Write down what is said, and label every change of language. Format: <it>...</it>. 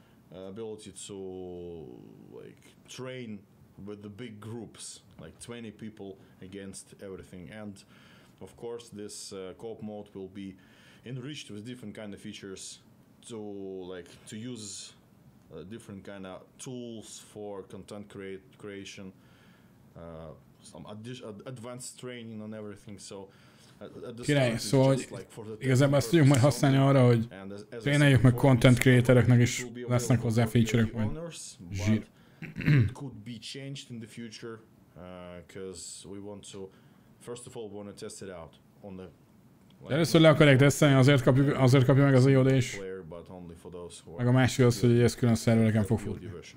<en>Ability to like train with the big groups, like 20 people against everything, and of course this co-op mode will be enriched with different kind of features to like to use different kind of tools for content creation, some advanced training and everything. So</en> <hu>király, szóval igazából ezt tudjuk majd használni arra, hogy tréneljük meg content creatoreknek is lesznek hozzá feature-ek majd. Zsír.</hu> <en>Could be changed in the future, because we want to, first of all, we want to test it out on the...</en> <hu>De először le akarják teszteni, azért kapja meg az IOD is, meg a másik az, hogy ez külön szervereken fog futni.</hu>